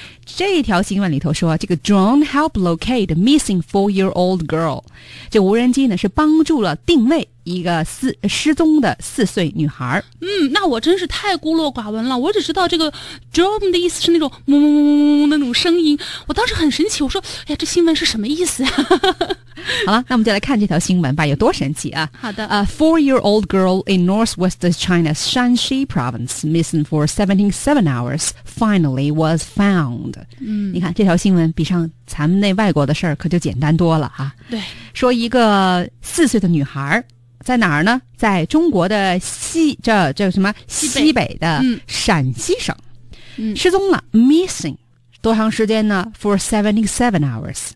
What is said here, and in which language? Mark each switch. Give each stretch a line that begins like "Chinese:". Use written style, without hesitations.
Chinese: 这条新闻里头说，这个
English: drone help locate missing four-year-old girl，
Chinese: 这无人机呢是帮助了定位一个失踪的四岁女孩。那我真是太孤陋寡闻了，我只知道这个 drone 的意思是那种嗡嗡嗡嗡嗡那种声音。我当时很神奇，我说，哎呀，这新闻是什么意思呀？好了，那我们就来看这条新闻吧，有多神奇啊。好的。
English: 4-year-old girl in northwest China's Shanxi province missing for 77 hours finally was found.
Chinese: 你看这条新闻比上咱们那外国的事儿可就简单多了啊。对。说一个四岁的女孩在哪儿呢？在中国的西北的陕西省。失踪了 ,missing。多长时间呢 ?
English: For 77 hours.